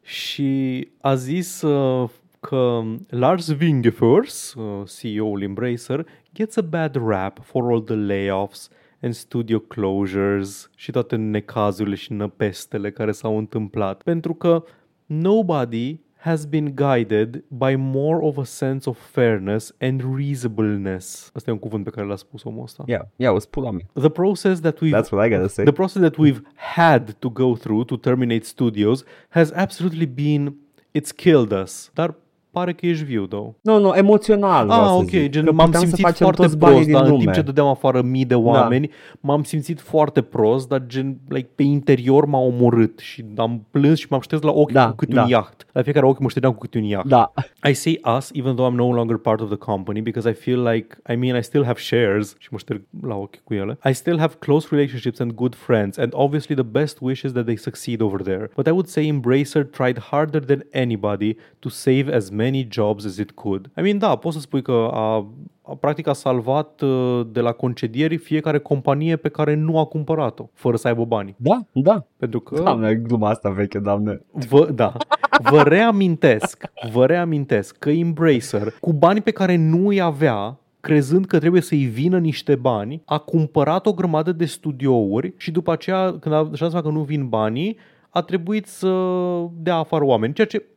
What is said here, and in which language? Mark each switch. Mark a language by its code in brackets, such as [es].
[ro] Și a zis că Lars Wingefors, CEO-ul Embracer, gets a bad rap for all the layoffs and studio closures și toate necazurile și năpestele care s-au întâmplat. [en] Pentru că nobody has been guided by more of a sense of fairness and reasonableness. [ro] Asta e un cuvânt pe care l-a spus omul ăsta. [en] Yeah, it's pull on me. The process that we've... That's what I gotta say. The process that we've had to go through to terminate studios has absolutely been... It's killed us. [ro] Dar pare că ești viu, though. No, emoțional. Ah, ok, gen, m-am simțit foarte prost, dar în timp ce dădeam afară mii de oameni, da, m-am simțit foarte prost, dar gen, like, pe interior m-a omorât și am plâns și m-am șters la ochi, da, cu câte, da, un iaht. La fiecare ochi mă ștergeam cu câte un iaht. Da. [en] I say us, even though I'm no longer part of the company, because I feel like, I mean, I still have shares, și mă șterg la ochi cu ele. I still have close relationships and good friends, and obviously the best wishes that they succeed over there. But I would say Embracer tried harder than anybody to save as many jobs as it could. [ro] I mean, da, poți să spui că practic a salvat de la concedieri fiecare companie pe care nu a cumpărat-o, fără să aibă banii. Da, da. Pentru că... Doamne, gluma asta veche, doamne. Vă reamintesc că Embracer, cu banii pe care nu îi avea, crezând că trebuie să-i vină niște bani, a cumpărat o grămadă de studiouri și după aceea, când a șansa că nu vin banii, a trebuit să dea afară oameni, ceea ce...